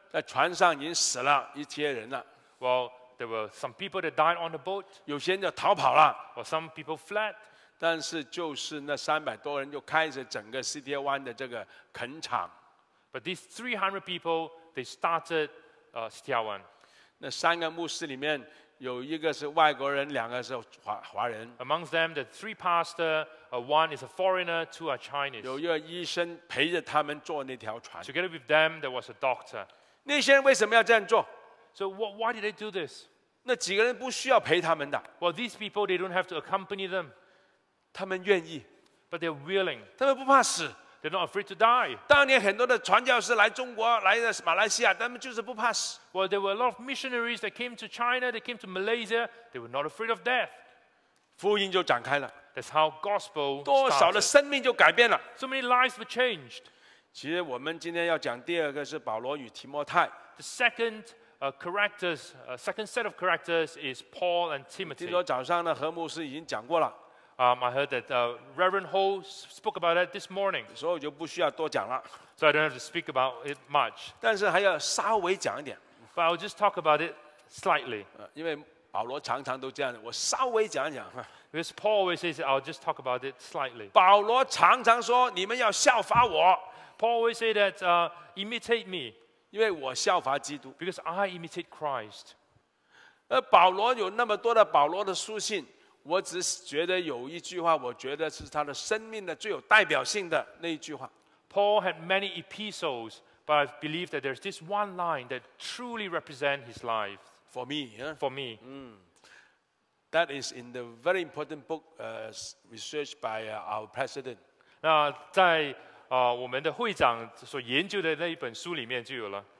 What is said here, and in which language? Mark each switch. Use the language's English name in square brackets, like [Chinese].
[Chinese] 在船上已经死了一些人了。 [English] Well, there were some people that died on the boat. [Chinese] 有些人就逃跑了。 [English] Or some people fled. [Chinese] 但是就是那300多人就开始整个 City One 的这个垦场。 [English] But these 300 people, they started City One. [Chinese] 那三个牧师里面有一个是外国人，两个是 华人。 [English] Among them, the three pastors, one is a foreigner, two are Chinese. [Chinese] 有一个医生陪着他们坐那条船。 [English] Together with them, there was a doctor. [Chinese] 那些人为什么要这样做？ [English] So why did they do this? [Chinese] 那几个人不需要陪他们的。 [English] Well, these people, they don't have to accompany them. [Chinese] 他们愿意。 [English] But they're willing. [Chinese] 他们不怕死。 [English] They're not afraid to die. [Chinese] 当年很多的传教士来中国，来马来西亚，他们就是不怕死。 [English] Well, there were a lot of missionaries that came to China, they came to Malaysia. They were not afraid of death. [Chinese] 福音就展开了。 [English] That's how gospel started. [Chinese] 多少的生命就改变了。 [English] So many lives were changed. [Chinese] 其实我们今天要讲第二个是保罗与提摩太。 [English] The second characters, second set of characters is Paul and Timothy. [Chinese] 听说早上呢，何牧师已经讲过了。 [English] I heard that Reverend Ho spoke about that this morning. So I [Chinese] 就不需要多讲了。 [English] So I don't have to speak about it much. [Chinese] 但是还要稍微讲一点。 [English] But I'll just talk about it slightly. [Chinese] 因为保罗常常都这样，我稍微讲一讲。 [English] Because Paul always says, I'll just talk about it slightly. [Chinese] 保罗常常说，你们要效法我。 [English] Paul always says that imitate me. [Chinese] 因为我效法基督。 [English] Because I imitate Christ. [Chinese] 而保罗有那么多的保罗的书信。我只觉得有一句话，我觉得是他的生命的最有代表性的那一句话。 [English] Paul had many epistles, but I believe that there's this one line that truly represents his life. For me, yeah. For me. That is in the very important book, researched by our president. [Chinese] 那在我们的会长所研究的那一本书里面就有了，